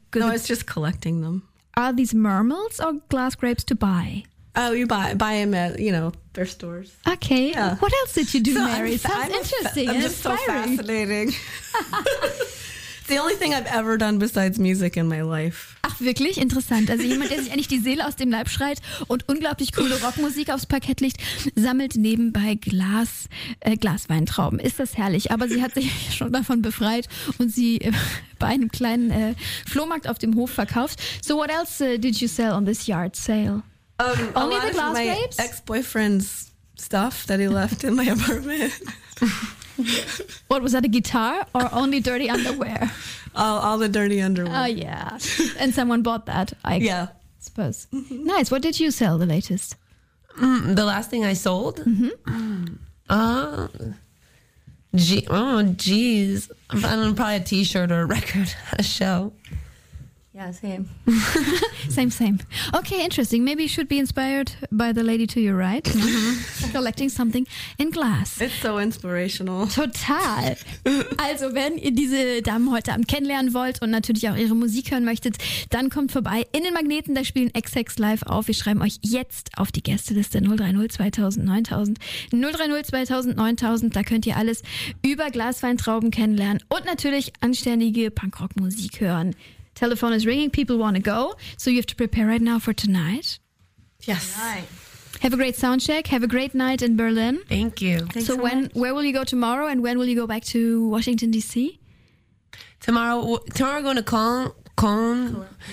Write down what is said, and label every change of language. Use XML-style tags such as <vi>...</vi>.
<en>good... No, it's just collecting them. Are these mermels or glass grapes to buy? Oh, you buy them at, you know, their stores. Okay. Yeah. What else did you do, Mary? Sounds interesting. I'm just so fascinating. It's the only thing I've ever done besides music in my life.</en> <de>Ach, wirklich? Interessant. Also jemand, der sich eigentlich die Seele aus dem Leib schreit und unglaublich coole Rockmusik aufs Parkett legt, sammelt nebenbei Glasweintrauben. Ist das herrlich. Aber sie hat sich schon davon befreit und sie bei einem kleinen Flohmarkt auf dem Hof verkauft.</de> <en>So what else did you sell on this yard sale? Only the glass grapes? A lot of my ex-boyfriend's stuff that he left in my apartment. What, was that a guitar or only dirty underwear? All the dirty underwear. Oh, yeah. And someone bought that, I suppose. Mm-hmm. Nice. What did you sell the latest? The last thing I sold? Mm-hmm. Geez. I don't know, probably a t-shirt or a record, a show. Yeah, same. Same, same. Okay, interesting. Maybe you should be inspired by the lady to your right. Mm-hmm. Collecting something in glass. It's so inspirational. Total.</en> <de>Also, wenn ihr diese Damen heute Abend kennenlernen wollt und natürlich auch ihre Musik hören möchtet, dann kommt vorbei in den Magneten. Da spielen XX live auf. Wir schreiben euch jetzt auf die Gästeliste 030-2000-9000. 030-2000-9000. Da könnt ihr alles über Glasweintrauben kennenlernen und natürlich anständige Punkrock-Musik hören.</de> <en>Telephone is ringing. People want to go. So you have to prepare right now for tonight. Yes. Right. Have a great sound check. Have a great night in Berlin. Thank you. Thanks so when? Much. Where will you go tomorrow and when will you go back to Washington, D.C.? Tomorrow we're going to Cologne.</en>